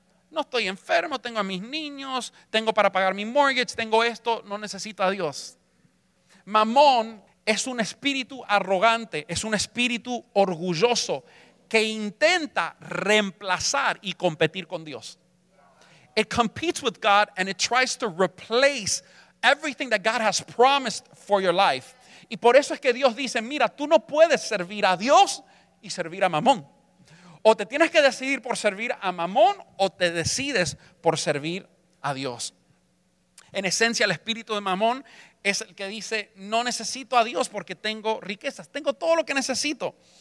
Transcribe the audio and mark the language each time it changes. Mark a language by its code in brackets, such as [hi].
[es] No estoy enfermo, tengo a mis niños, tengo para pagar mi mortgage, tengo esto, no necesito a Dios. Mamón es un espíritu arrogante, es un espíritu orgulloso que intenta reemplazar y competir con Dios. [en] It competes with God and it tries to replace everything that God has promised for your life. [es] Y por eso es que Dios dice: mira, tú no puedes servir a Dios y servir a Mamón. O te tienes que decidir por servir a Mamón o te decides por servir a Dios. En esencia, el espíritu de Mamón es el que dice: no necesito a Dios porque tengo riquezas, tengo todo lo que necesito.